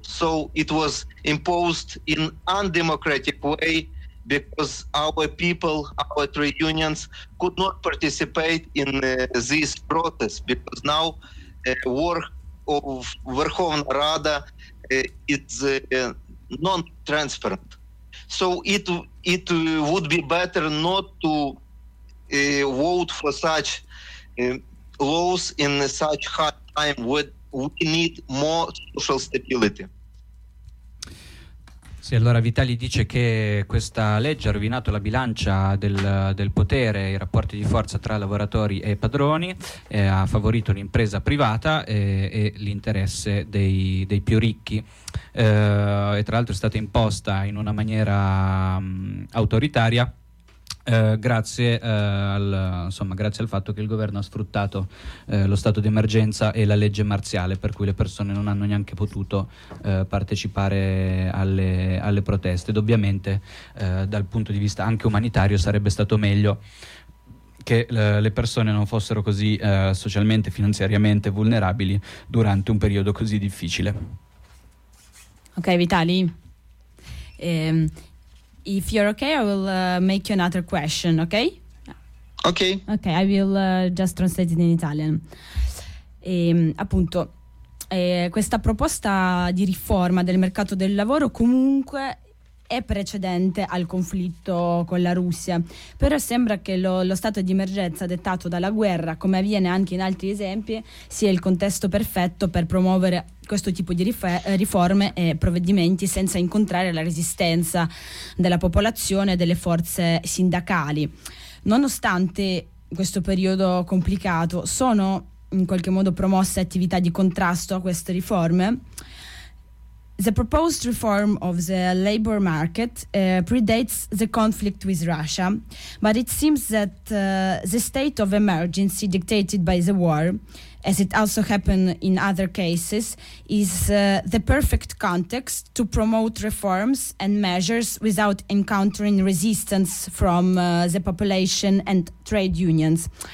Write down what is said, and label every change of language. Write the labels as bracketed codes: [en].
[en] So it was imposed in undemocratic way because our people, our trade unions, could not participate in this protest, because now work of Verkhovna Rada is non-transparent. So it would be better not to vote for such laws in such hard time. We need more social stability. [it] Sì, allora Vitali dice che questa legge ha rovinato la bilancia del potere, i rapporti di forza tra lavoratori e padroni, ha favorito l'impresa privata e l'interesse dei più ricchi. E tra l'altro è stata imposta in una maniera autoritaria, grazie al fatto che il governo ha sfruttato lo stato di emergenza e la legge marziale, per cui le persone non hanno neanche potuto partecipare alle proteste. Ed ovviamente dal punto di vista anche umanitario sarebbe stato meglio che le persone non fossero così socialmente, finanziariamente vulnerabili durante un periodo così difficile. Ok, Vitali. [en] If you're okay, I will make you another question, okay? Okay. Okay, I will just translate it in Italian. [it] Appunto, questa proposta di riforma del mercato del lavoro comunque è precedente al conflitto con la Russia, però sembra che lo stato di emergenza dettato dalla guerra, come avviene anche in altri esempi, sia il contesto perfetto per promuovere questo tipo di riforme e provvedimenti senza incontrare la resistenza della popolazione e delle forze sindacali. Nonostante questo periodo complicato, sono in qualche modo promosse attività di contrasto a queste riforme? [en] The proposed reform of the labor market predates the conflict with Russia, but it seems that the state of emergency dictated by the war, as it also happened in other cases, is the perfect context to promote reforms and measures without encountering resistance from the population and trade unions.